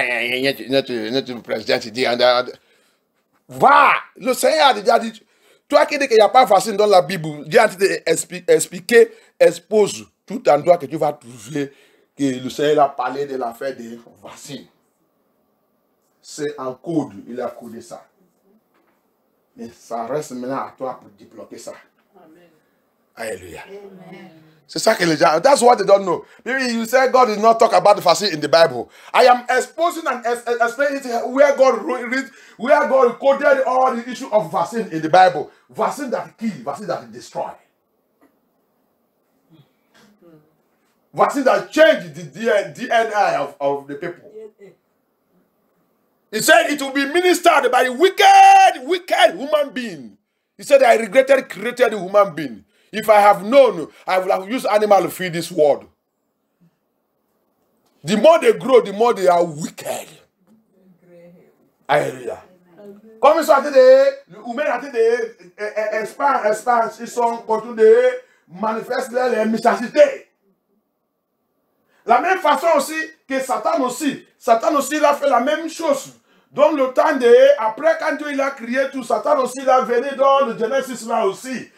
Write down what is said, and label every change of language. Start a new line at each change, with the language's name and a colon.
French: Notre président dit, va, le Seigneur a déjà dit, toi qui dis qu'il n'y a pas de vaccin dans la Bible, Dieu a dit expliquer, expose tout endroit que tu vas trouver, que le Seigneur a parlé de l'affaire des vaccins. C'est en code, il a codé ça. Mais ça reste maintenant à toi pour débloquer ça. Amen. Alléluia. Amen. C'est ça que les gens...
English: That's what they don't know. Maybe you say God did not talk about the fasting in the Bible. I am exposing and explaining where God wrote, where God coded all the issue of fasting in the Bible. Fasting that kill, fasting that destroy. Fasting that change the DNA of the people. He said it will be ministered by a wicked, wicked human being. He said, I regretted created a human being. If I have known, I would have used animal to feed this world. The more they grow, the more they are wicked. Alléluia.
French: Comme ils sont en train de, l'humain est en train de expand, ils sont continuent de manifester leur méchanceté. La même façon aussi que Satan aussi il a fait la même chose. Donc le temps de, après quand Dieu il a crié tout, Satan aussi il a venu dans le Genesis là aussi.